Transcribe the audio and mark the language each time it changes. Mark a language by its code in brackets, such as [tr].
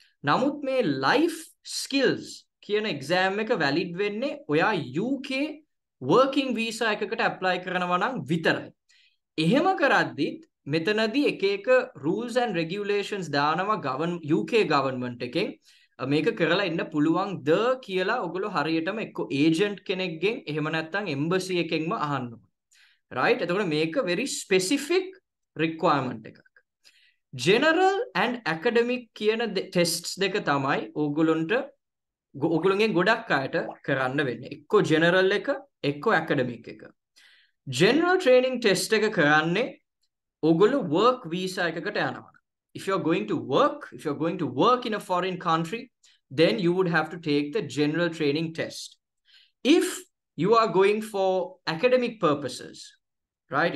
[si] නමුත් මේ life skills කියන exam එක valid වෙන්නේ ඔයා UK working visa එකකට apply කරනවා නම් විතරයි. එහෙම කරද්දිත් මෙතනදී එක එක [en] rules and regulations [si] දානවා UK government එකෙන් මේක කරලා ඉන්න පුළුවන් ද කියලා ඔගොල්ලෝ හරියටම එක්ක ඒජන්ට් කෙනෙක්ගෙන් එහෙම නැත්නම් embassy එකෙන්ම අහන්න ඕනේ. [en] Right? [si] එතකොට මේක [en] very specific requirement [si] එකක්. General and academic කියන tests දෙක තමයි ඔගොල්ලොන්ට ඔගොල්ලන්ගෙන් ගොඩක් අයට කරන්න වෙන්නේ. එක්ක general එක, එක්ක academic එක. General training test එක කරන්නේ ඔගොල්ලෝ work visa එකකට යනවා. [en] If you're going to work, if you're going to work in a foreign country, then you would have to take the general training test. If you are going for academic purposes, right?